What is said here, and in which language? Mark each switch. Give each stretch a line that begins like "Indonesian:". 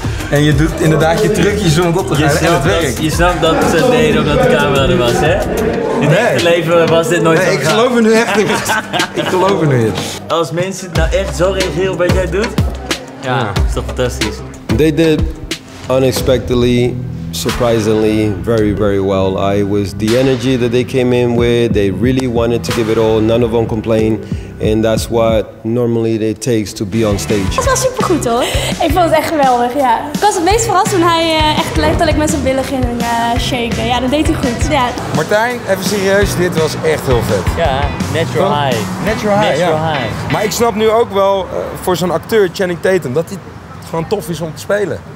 Dutch: En je doet inderdaad je trucjes om het op te gaan. Je snapt dat ze het deden omdat de camera er was, hè? In het echte leven was dit nooit. Nee, ik geloof er nu echt in. Ik geloof er nu in. Als mensen nou echt zo reageren op wat jij doet, ja, is dat fantastisch.
English: They did unexpectedly. surprisingly very, very well. I was the energy that they came in with. They really wanted to give it all. None of them complained. And that's what normally it takes to be on stage.
Dutch: Het was super goed hoor. Ik vond het echt geweldig, ja. Ik was het meest verrast toen hij echt letterlijk met zijn billen ging shaken. Ja, dat deed hij goed. Ja. Martijn, even serieus, dit was echt heel vet.
English: Ja, natural high. Natural high, natural
Dutch: ja.
English: High.
Dutch: Maar ik snap nu ook wel voor zo'n acteur, Channing Tatum, dat hij gewoon tof is om te spelen.